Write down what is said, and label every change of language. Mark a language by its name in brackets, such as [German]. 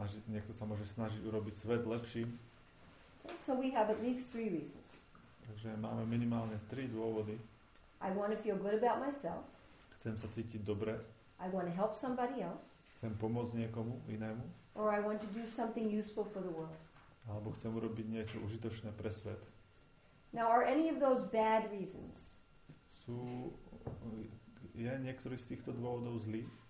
[Slovak] Niekto sa môže snažiť urobiť svet lepší. [English] So we have at least three reasons. [Slovak] Takže máme minimálne tri dôvody. [English] I want to feel good about myself. [Slovak] Chcem sa cítiť dobre. [English] I want to help somebody else. [Slovak] Chcem pomôcť niekomu inému. [English] Or I want to do something useful for the world. [Slovak] Alebo chcem urobiť niečo užitočné pre svet. [English] Now are any of those bad reasons? [Slovak] Sú je niektorý z týchto dôvodov zlý?